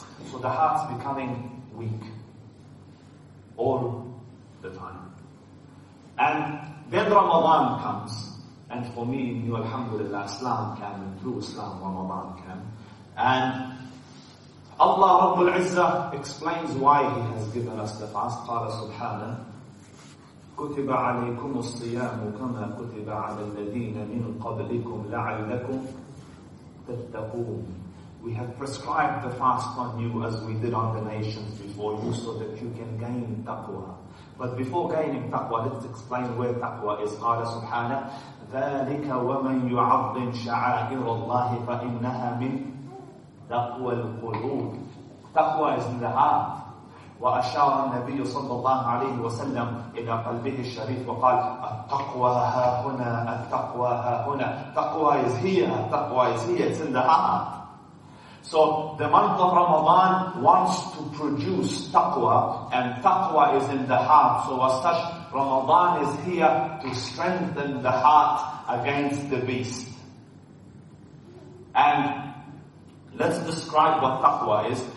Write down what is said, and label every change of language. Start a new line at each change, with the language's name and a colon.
English: So the heart's becoming weak all the time. And then Ramadan comes, and for me, new Alhamdulillah, Islam came, and through Islam, Ramadan came. And Allah Rabbul Izzah explains why He has given us the fast.
Arabic: Qala subhanahu. كتب عليكم الصيام كما كتب على الذين من قبلكم لعلكم تتقون.
English: We have prescribed the fast on you as we did on the nations before you so that you can gain taqwa. But before gaining taqwa, let's explain where taqwa is.
Arabic: قال سبحانه ذلك ومن يعظم شعائر الله فإنها من تقوى القلوب.
English: Taqwa is in the heart.
Arabic: وأشار النبي صلى الله عليه وسلم إلى قلبه الشريف وقال التقوى ها هنا التقوى ها هنا تقوى
English: is here, تقوى is here, it's in the heart. So the month of Ramadan wants to produce taqwa, and taqwa is in the heart. So as such, Ramadan is here to strengthen the heart against the beast. And let's describe what taqwa is.